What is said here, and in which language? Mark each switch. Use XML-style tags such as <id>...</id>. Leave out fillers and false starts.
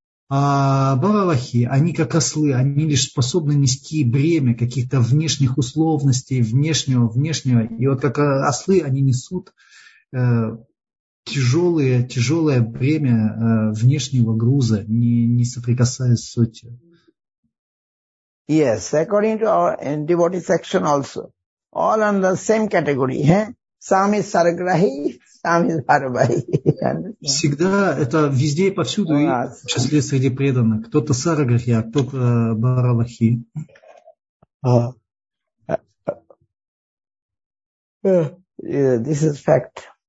<ru>А баралахи, они как ослы, они лишь способны нести бремя каких-то внешних условностей, внешнего. И вот как ослы, они несут тяжелое бремя внешнего груза, не соприкасаясь с сутью.</ru> <en>Yes, according to our devotee section also, all on the same category. Eh? Some is sargrahi, some is bharvahi.</en> <ru>Всегда это везде и повсюду, в числе среди преданных. Кто-то сарграхи, а кто-то бхарвахи.</ru> <en>This is fact.</en>